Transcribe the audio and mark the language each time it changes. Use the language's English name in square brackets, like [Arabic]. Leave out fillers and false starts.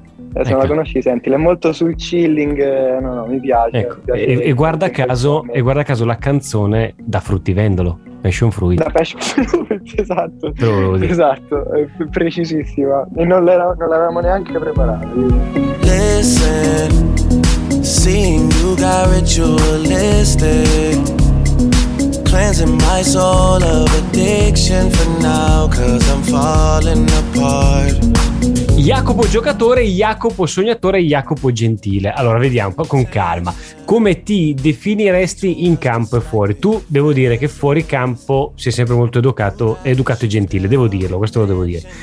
[Italian] Se non la conosci, senti, è molto sul chilling, no, mi piace. Ecco, mi piace e guarda caso, e guarda caso la canzone da fruttivendolo, Passion Fruit. Da Passion Fruit, esatto, precisissima. E non l'avevamo neanche preparata. [English] Listen, seeing you got ritualistic, cleansing my soul of addiction for now, cause I'm falling apart. [Italian] Jacopo giocatore, Jacopo sognatore, Jacopo gentile. Allora vediamo con calma. Come ti definiresti in campo e fuori? Tu, devo dire che fuori campo sei sempre molto educato, educato e gentile, devo dirlo, questo lo devo dire.